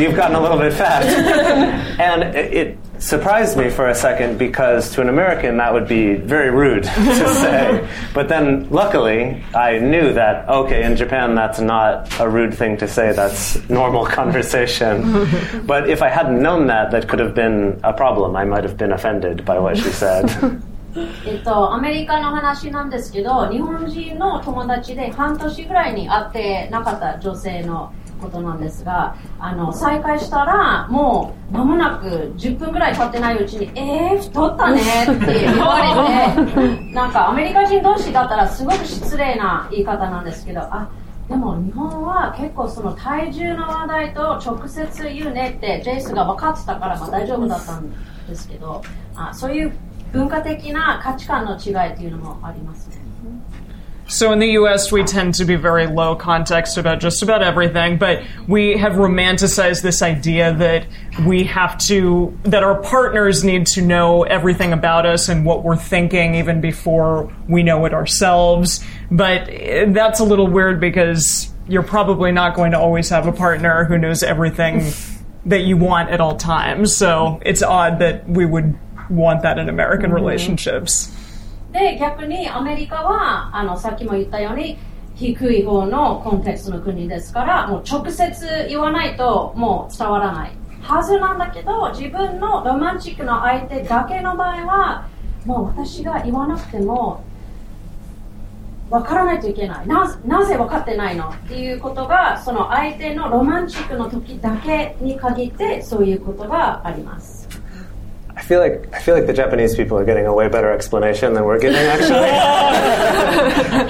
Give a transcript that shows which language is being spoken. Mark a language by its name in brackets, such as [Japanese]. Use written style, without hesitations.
[English] You've gotten a little bit fat. And it surprised me for a second, because to an American that would be very rude to say. But then luckily I knew that, okay, in Japan that's not a rude thing to say, that's normal conversation. But if I hadn't known that, that could have been a problem. I might have been offended by what she said. [Japanese] アメリカの話なんですけど、日本人の友達で半年ぐらいに会ってなかった女性のことなんですが、再会したらもう間もなく10分ぐらい経ってないうちに、太ったねって言われて、なんかアメリカ人同士だったらすごく失礼な言い方なんですけど、あ、でも日本は結構その体重の話題と直接言うねってジェイスが分かってたから、まあ大丈夫だったんですけど、あ、そういう文化的な価値観の違いというのもありますね。 [English] So in the U.S., we tend to be very low context about just about everything, but we have romanticized this idea that we have to, that our partners need to know everything about us and what we're thinking even before we know it ourselves. But that's a little weird, because you're probably not going to always have a partner who knows everything that you want at all times. So it's odd that we would want that in American relationships. [Japanese] で、逆にアメリカはさっきも言ったように低い方のコンテクストの国ですから、もう直接言わないともう伝わらないはずなんだけど、自分のロマンチックの相手だけの場合はもう私が言わなくてもわからないといけない、 なぜ分かってないのっていうことが、その相手のロマンチックの時だけに限ってそういうことがあります。 [English] I feel like the Japanese people are getting a way better explanation than we're getting, actually.